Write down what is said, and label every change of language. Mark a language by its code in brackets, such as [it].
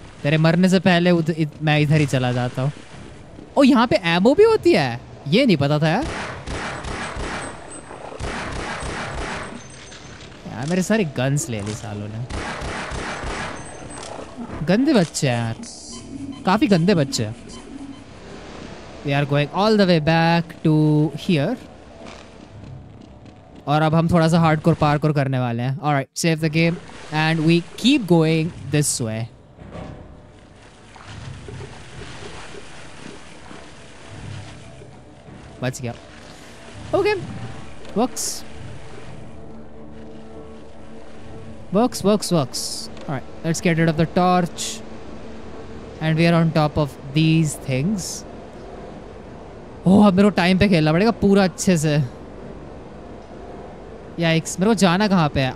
[hi] तेरे मरने से पहले मैं इधर ही चला जाता हूँ. ओ यहाँ पे एमो भी होती है, ये नहीं पता था यार. मेरे सारे गन्स ले ली सालों ने. गंदे बच्चे हैं यार, काफी गंदे बच्चे. [en] We are going all the way back to here. [hi] और अब हम थोड़ा सा हार्डकोर पार्कोर करने वाले हैं. [en] Alright, save the game. And we keep going this way. [hi] बच गया. [en] Okay. Works. Alright, let's get rid of the torch. And we are on top of these things. [hi] Oh, अब मेरे को टाइम पे खेलना पड़ेगा पूरा अच्छे से. Yikes, मेरे को जाना कहाँ पे है?